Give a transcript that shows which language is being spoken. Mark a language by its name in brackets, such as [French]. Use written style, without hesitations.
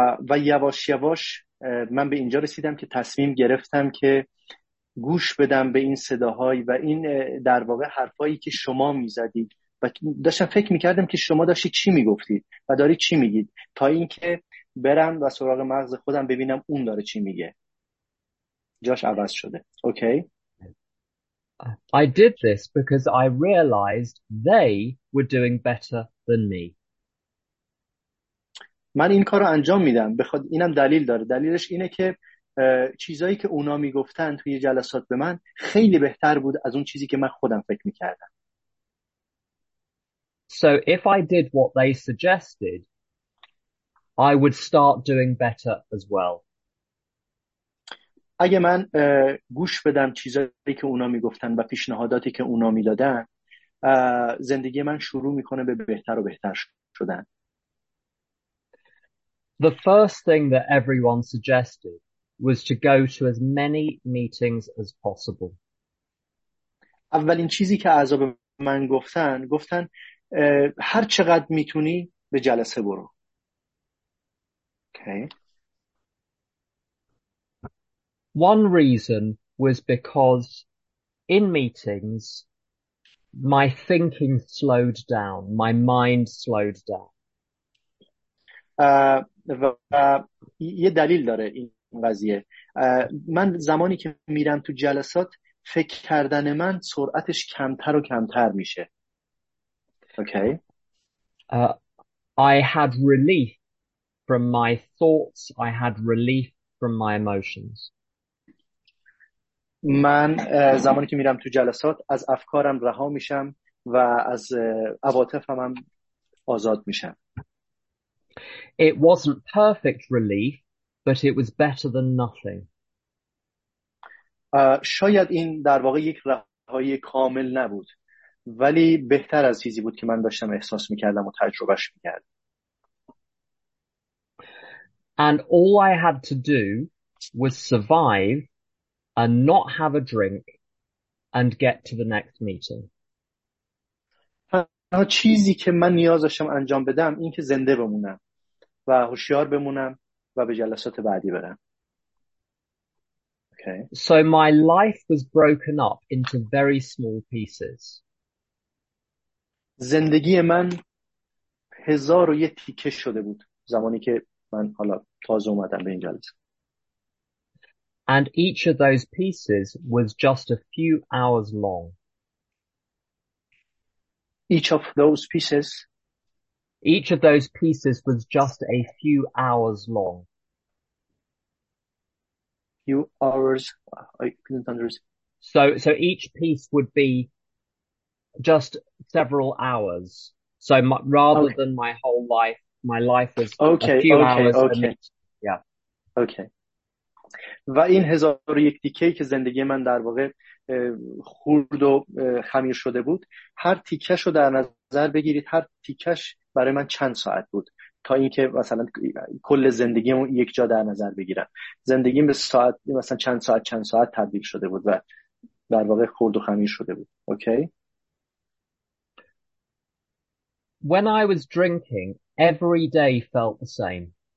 [Persian] و یواش یواش من به اینجا رسیدم که تصمیم گرفتم که گوش بدم به این صداهایی و این در واقع حرفایی که شما میزدید و داشتم فکر میکردم که شما داشتی چی میگفتید و داری چی میگید، تا اینکه برم و سراغ مغز خودم ببینم اون داره چی میگه. جاش عوض شده. اوکی؟ [English] I did this because I realized they were doing better than me. [Persian] من این کارو انجام میدم بخواد اینم دلیل داره. دلیلش اینه که چیزایی که اونا میگفتن توی جلسات به من خیلی بهتر بود از اون چیزی که من خودم فکر میکردم. [English] So if I did what they suggested, I would start doing better as well. [Persian] اگه من گوش بدم چیزایی که اونا میگفتن و پیشنهاداتی که اونا میدادن، زندگی من شروع میکنه به بهتر و بهتر شدن. [English] The first thing that everyone suggested was to go to as many meetings as possible. [Persian] اولین چیزی که اعضا به من گفتن، گفتن هر چقدر میتونی به جلسه برو. [English] Okay. One reason was because in meetings, my thinking slowed down, my mind slowed down. [Persian] و یه دلیل داره این قضیه. من زمانی که میرم تو جلسات فکر کردن من سرعتش کمتر و کمتر میشه. اوکی. [English] I had relief from my thoughts. I had relief from my emotions. [Persian] من زمانی که میرم تو جلسات از افکارم رها میشم و از عواطفم هم آزاد میشم. [English] It wasn't perfect relief, but it was better than nothing. [Persian] شاید این در واقع یک رهایی کامل نبود، ولی بهتر از چیزی بود که من داشتم احساس میکردم و تجربهش میکردم. [English] And all I had to do was survive and not have a drink and get to the next meeting. [Persian] تنها چیزی که من نیاز داشتم انجام بدم این که زنده بمونم و هوشیار بمونم و به جلسات بعدی برم. [English] Okay. So my life was broken up into very small pieces. [Persian] زندگی من هزار و یه تیکه شده بود زمانی که من حالا تازه اومدم به این جلسه. [English] And each of those pieces was just a few hours long. Each of those pieces. Each of those pieces was just a few hours long. Few hours. I couldn't understand. So each piece would be just several hours. So rather okay. than my whole life, my life was okay, a few okay, hours. Okay. Yeah. Okay. [Persian] و این هزار و یک تیکه که زندگی من در واقع خورد و خمیر شده بود، هر تیکش رو در نظر بگیرید، هر تیکش برای من چند ساعت بود تا اینکه مثلا کل زندگیم رو یک جا در نظر بگیرم. زندگیم به ساعت مثلا چند ساعت چند ساعت تبدیل شده بود و در واقع خورد و خمیر شده بود. اوکی. [English] When I was drinking, every day felt the same.